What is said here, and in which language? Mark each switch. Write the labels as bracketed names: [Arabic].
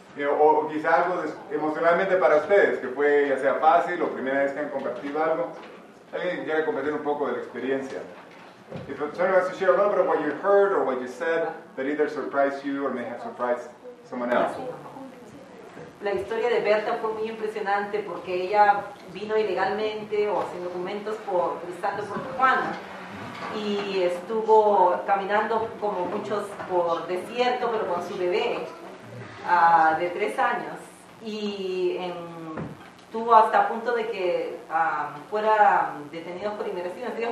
[Spanish] o quizá algo emocionalmente para ustedes, que fue ya sea fácil o primera vez que han compartido algo. ¿Alguien quiere compartir un poco de la experiencia? [English] If someone wants to share a little bit of what you heard or what you said that either surprised you or may have surprised someone else. [Spanish] La historia de Berta fue muy impresionante porque ella vino ilegalmente o sin documentos cruzando por Tijuana y estuvo caminando como muchos por desierto, pero con su bebé de 3 años y estuvo hasta a punto de que fuera detenido por inmigración.